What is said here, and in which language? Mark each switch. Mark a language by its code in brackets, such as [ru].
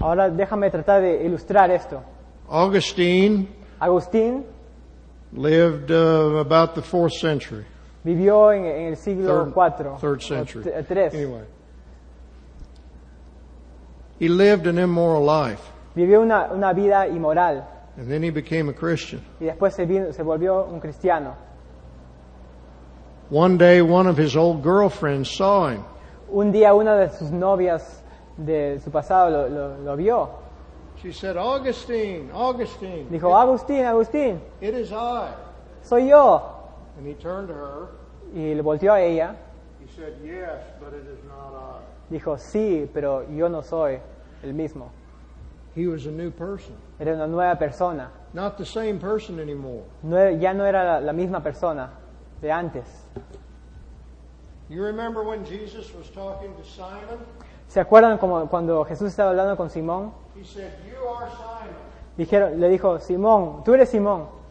[es] Ahora déjame tratar de ilustrar esto. [en] Agustín lived about the 4th century. [es] Vivió en el siglo [en] third century. [es] Tres. [en] Anyway. He lived an immoral life. [es] Vivió una vida inmoral. [en] And then he became a Christian. [es] Y después se volvió un cristiano. [en] One day one of his old girlfriends saw him. [es] Un día una de sus novias de su pasado lo vio. [en] She said, Augustine. [es] Dijo, Agustín. [en] It is I. [es] Soy yo. [en] And he turned to her. [es] Y le volteó a ella. [en] He said, yes, but it is not I. [es] Dijo, sí, pero yo no soy el mismo. [en] He was a new person. [es] Era una nueva persona. [en] Not the same person anymore. [es] No, ya no era la misma persona de antes. [en] You remember when Jesus was talking to Simon? [es] ¿Se acuerdan como cuando Jesús estaba hablando con Simón? [en] He said, you are Simon. [es] Le dijo, Simón, tú eres Simón.